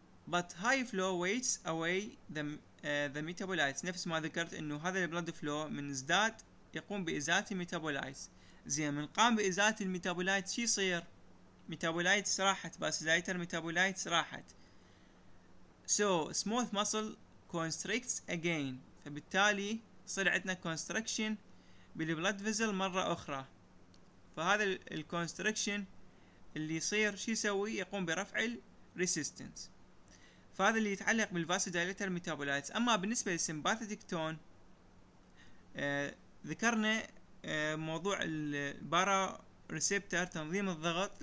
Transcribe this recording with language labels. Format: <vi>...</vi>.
<en>But high flow weights away the metabolites.</en> <ar>نفس ما ذكرت إنه هذا البلد فلو من ازداد يقوم بإزالة الميتابولايتس. زين من قام بإزالة الميتابولايتس شي يصير؟ ميتابولايتس راحت، فاسودايليتر ميتابولايتس راحت.</ar> <en>So smooth muscle constricts again.</en> <ar>فبالتالي صار عندنا constriction بالبلد فيزل مرة أخرى. فهذا ال constriction اللي يصير شي يسوي؟ يقوم برفع ال resistance. فهذا اللي يتعلق بالفاسودايليتر ميتابولايتس. أما بالنسبة للسيمباثيتك تون ذكرنا موضوع البارا ريسبتر، تنظيم الضغط.</ar>